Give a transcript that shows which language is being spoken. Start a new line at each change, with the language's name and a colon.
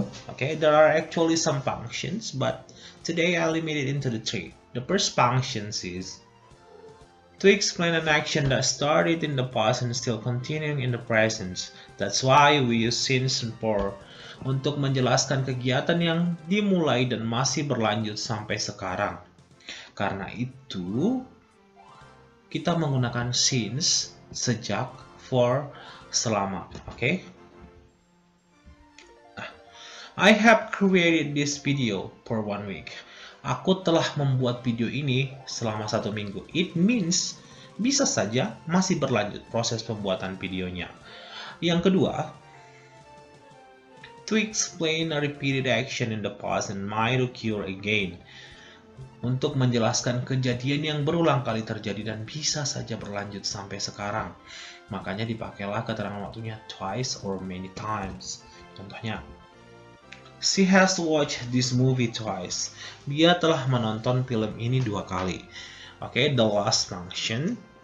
English: Okay, there are actually some functions, but today I limited into the three. The first function is to explain an action that started in the past and still continuing in the present. That's why we use since and for
Indonesian: untuk menjelaskan kegiatan yang dimulai dan masih berlanjut sampai sekarang. Karena itu, kita menggunakan since, sejak, for, selama, okay?
English: I have created this video for 1 week.
Indonesian: Aku telah membuat video ini selama 1 minggu.
English: It means,
Indonesian: bisa saja masih berlanjut proses pembuatan videonya. Yang kedua,
English: to explain a repeated action in the past and might occur again.
Indonesian: Untuk menjelaskan kejadian yang berulang kali terjadi dan bisa saja berlanjut sampai sekarang. Makanya dipakailah keterangan waktunya
English: twice or many times. Contohnya, she has watched this movie twice.
Indonesian: Dia telah menonton film ini 2 kali.
English: Okay, the last function.